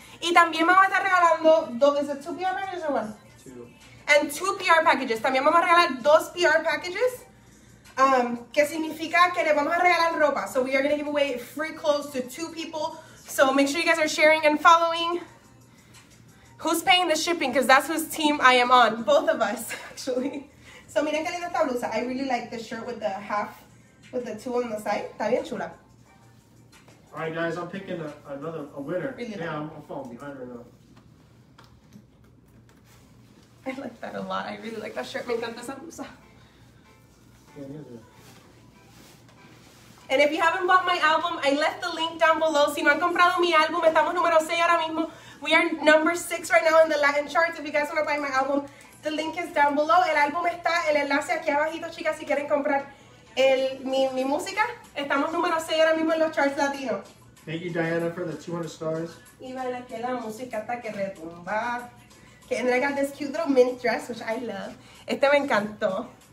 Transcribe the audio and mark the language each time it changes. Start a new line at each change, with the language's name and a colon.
Spanish: Y también vamos a estar regalando dos, ¿es two PR packages o one?
English: Two. And two PR packages.
Spanish: También vamos a regalar dos PR packages, que significa que le vamos a regalar ropa.
English: So we are going to give away free clothes to two people. So make sure you guys are sharing and following. Who's paying the shipping? Because that's whose team I am on. Both of us, actually.
Spanish: So, miren qué linda esta blusa.
English: I really like the shirt with the half, with the two on the side.
Spanish: Está bien chula.
English: All right, guys, I'm picking a winner. Really? Yeah, I'm falling behind right now. I like that a lot. I really like that shirt.
Spanish: Me encanta esa blusa.
English: And if you haven't bought my album, I left the link down below.
Spanish: Si no han comprado mi álbum, estamos número 6 ahora mismo.
English: We are number 6 right now in the Latin charts. If you guys want to buy my album, the link is down below.
Spanish: El álbum está, el enlace aquí abajito, chicas, si quieren comprar mi música. Estamos número 6 ahora mismo en los charts latinos.
English: Thank you, Diana, for the 200 stars.
Spanish: Y vale que la música está que retumba.
English: Okay, and then I got this cute little mini dress, which I love.
Spanish: Este me encantó.